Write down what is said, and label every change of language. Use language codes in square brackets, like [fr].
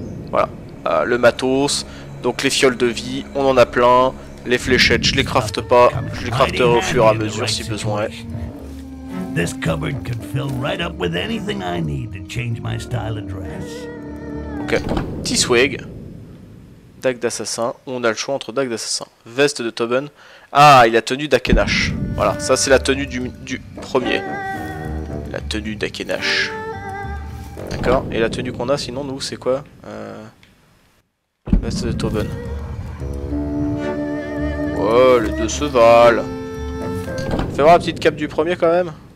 [fr] Voilà, le matos, donc les fioles de vie, on en a plein, les fléchettes, je les crafte pas, je les crafterai au fur et à mesure si besoin est. [en] This cupboard could fill right up with anything I need to change my style of dress. [fr] Ok, petit swag, dague d'assassin, on a le choix entre dague d'assassin, veste de Tobin, ah il a tenue d'Akenash, voilà, ça c'est la tenue du premier, la tenue d'Akenash, d'accord, et la tenue qu'on a sinon nous c'est quoi, veste de Tobin, oh les deux se valent, fais voir la petite cape du premier quand même.